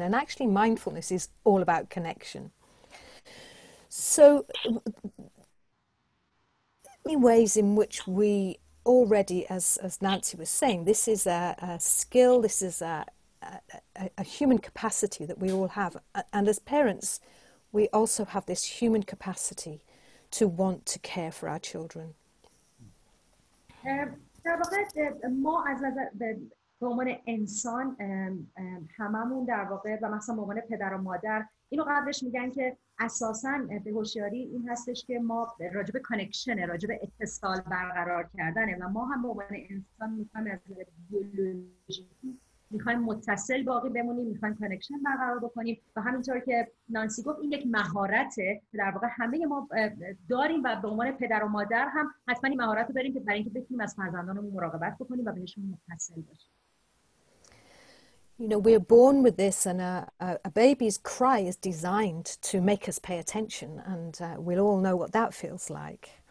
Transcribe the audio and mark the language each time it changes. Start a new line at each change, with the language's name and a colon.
English: And actually mindfulness is all about connection. So many ways in which we already, as Nancy was saying, this is a skill, this is a human capacity that we all have. And as parents, we also have this human capacity to want to care for our children.
Persian: در واقع ما از نظر به عنوان انسان هممون در واقع و مثلا به عنوان پدر و مادر اینو قبلش میگن که اساساً به هوشیاری این هستش که ما راجب کانکشن راجب اتصال برقرار کردنه و ما هم به عنوان انسان میخوایم از بیولوژیکی میخوایم متصل باقی بمونیم میخوایم کانکشن برقرار بکنیم و همینطور که نانسی گفت این یک مهارته در واقع همه ما داریم و به عنوان پدر و مادر هم حتما این مهارت رو داریم که برای اینکه بتونیم از فرزندانمون مراقبت بکنیم و بهشون متصل باشیم.
English: You know, we're born with this, and a baby's cry is designed to make us pay attention, and we'll all know what that feels like.